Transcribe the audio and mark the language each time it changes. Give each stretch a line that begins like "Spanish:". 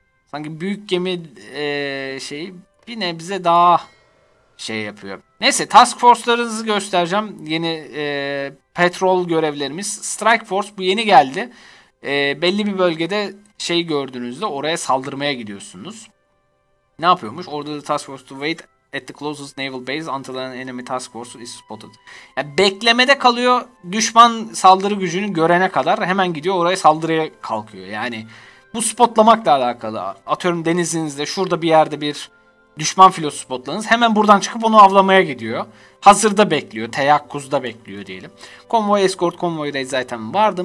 Turkish: Sanki büyük gemi şeyi bir nebze daha şey yapıyor. Neyse, task force'larınızı göstereceğim. Yeni petrol görevlerimiz. Strike force bu yeni geldi. Belli bir bölgede şey gördüğünüzde oraya saldırmaya gidiyorsunuz. Ne yapıyormuş?
English: Order the task force to wait at the closest naval base until an enemy task force is spotted.
Turkish: Yani beklemede kalıyor düşman saldırı gücünü görene kadar, hemen gidiyor oraya saldırıya kalkıyor. Yani bu spotlamakla alakalı. Atıyorum denizinizde şurada bir yerde bir düşman filosu spotladınız. Hemen buradan çıkıp onu avlamaya gidiyor. Hazırda bekliyor. Teyakkuzda bekliyor diyelim. Konvoy escort, konvoy raid zaten vardı.